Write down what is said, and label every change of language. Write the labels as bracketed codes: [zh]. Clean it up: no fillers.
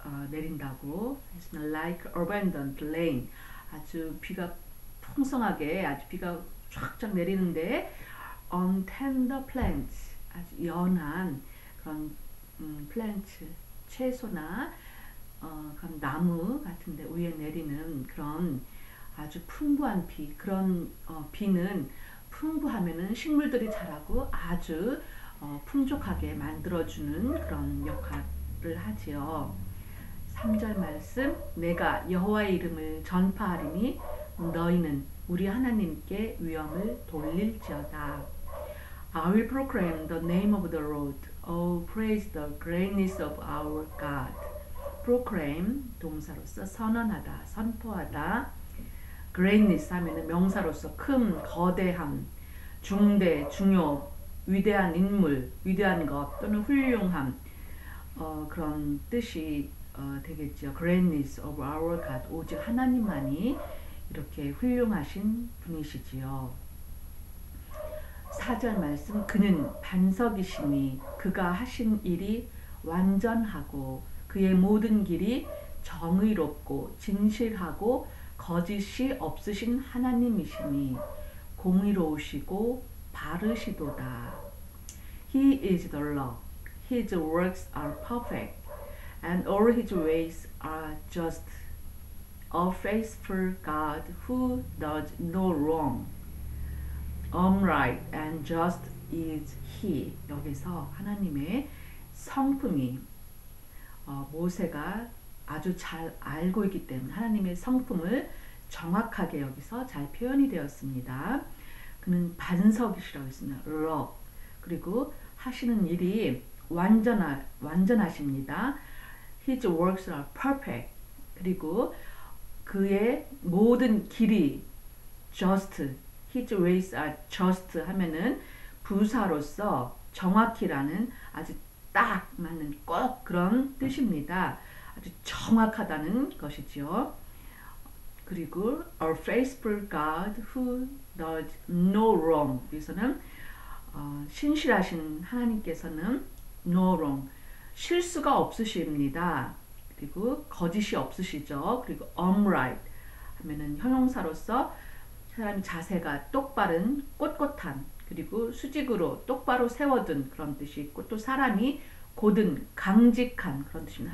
[ko] 내린다고 [en] like abundant rain [ko] 아주 비가 풍성하게 아주 비가 쫙쫙 내리는데 [en] on tender plants [ko] 아주 연한 그런 plants 채소나 그런 나무 같은데 위에 내리는 그런 아주 풍부한 비 그런 비는 풍부하면은 식물들이 자라고 아주 풍족하게 만들어주는 그런 역할을 하지요. 3절 말씀, 내가 여호와의 이름을 전파하리니 너희는 우리 하나님께 위엄을 돌릴지어다. [en] I will proclaim the name of the Lord. Oh, praise the greatness of our God. [ko] Proclaim, 동사로서 선언하다, 선포하다. Greatness 하면 명사로서 큼, 거대함, 중대, 중요, 위대한 인물, 위대한 것 또는 훌륭함 그런 뜻이 되겠죠. [en] Greatness of our God, [ko] 오직 하나님만이 이렇게 훌륭하신 분이시지요. 4절 말씀, 그는 반석이시니 그가 하신 일이 완전하고 그의 모든 길이 정의롭고 진실하고 거짓이 없으신 하나님이시니 공의로우시고 바르시도다. [en] He is the Lord. His works are perfect, and all his ways are just. A faithful God who does no wrong. Upright and just is he. [ko] 여기서 하나님의 성품이 모세가 아주 잘 알고 있기 때문에 하나님의 성품을 정확하게 여기서 잘 표현이 되었습니다. 그는 반석이시라고 했습니다. [en] Lord. [ko] 그리고 하시는 일이 완전하십니다. [en] His works are perfect. [ko] 그리고 그의 모든 길이 just. [en] His ways are just [ko] 하면은 부사로서 정확히라는 아주 딱 맞는 꼭 그런 뜻입니다. 아주 정확하다는 것이지요. [en] 그리고 a faithful God who does no wrong. [ko] 여기서는 신실하신 하나님께서는 [en] no wrong, [ko] 실수가 없으십니다. 그리고 거짓이 없으시죠. 그리고 upright 하면은 형용사로서 사람이 자세가 똑바른, 꼿꼿한 그리고 수직으로 똑바로 세워둔 그런 뜻이 있고 또 사람이 고든, 강직한 그런 뜻입니다.